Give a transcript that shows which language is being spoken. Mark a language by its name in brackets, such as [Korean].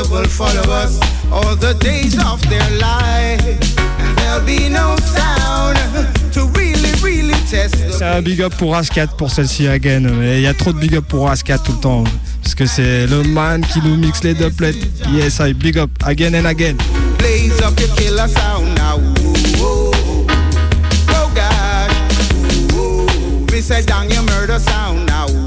[English] Follow us all the days of their life, and there'll be no sound to really, really test. [French] C'est un big up pour Ascat pour celle-ci again. Mais il y a trop de big up pour Ascat tout le temps, parce que c'est le man qui nous mixe les doublets. [English] Yes, I big up again and again. Blaze up your killer sound now. Oh gosh, we said down your murder sound now.